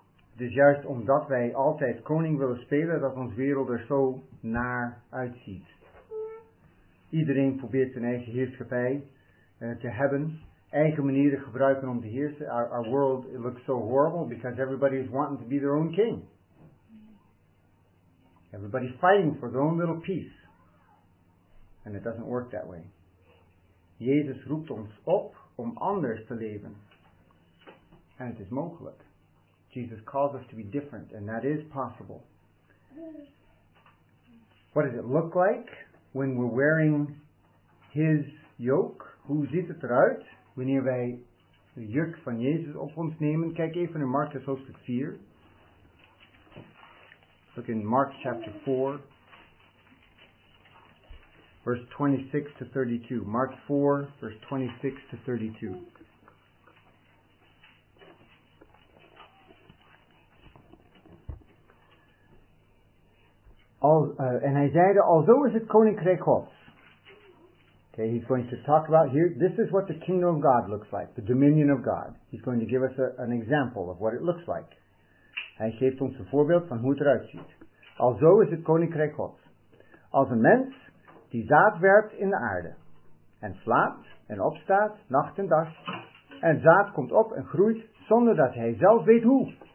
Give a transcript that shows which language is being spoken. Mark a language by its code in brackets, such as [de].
[nl] Het is juist omdat wij altijd koning willen spelen, dat ons wereld er zo naar uitziet. Iedereen probeert zijn eigen heerschappij te hebben. Eigen manieren gebruiken om te heersen. [en] Our world, it looks so horrible because everybody is wanting to be their own king. Everybody fighting for their own little piece. And it doesn't work that way. [nl] Jezus roept ons op om anders te leven. [en] And it is mogelijk. Jesus calls us to be different and that is possible. What does it look like? When we're wearing his yoke, [nl] hoe ziet het eruit? Wanneer wij de juk van Jezus op ons nemen. Kijk even in Marcus hoofdstuk 4. [en] Look in Mark chapter 4. Verse 26 to 32. Mark 4, verse 26 to 32. [nl] En hij zeide, alzo is het koninkrijk Gods. [en] Okay, he's going to talk about here, this is what the kingdom of God looks like, the dominion of God. He's going to give us an example of what it looks like. [nl] Hij geeft ons een voorbeeld van hoe het eruit ziet. Alzo is het koninkrijk Gods. Als een mens die zaad werpt in de aarde, en slaapt en opstaat, nacht en dag. En zaad komt op en groeit zonder dat hij zelf weet hoe.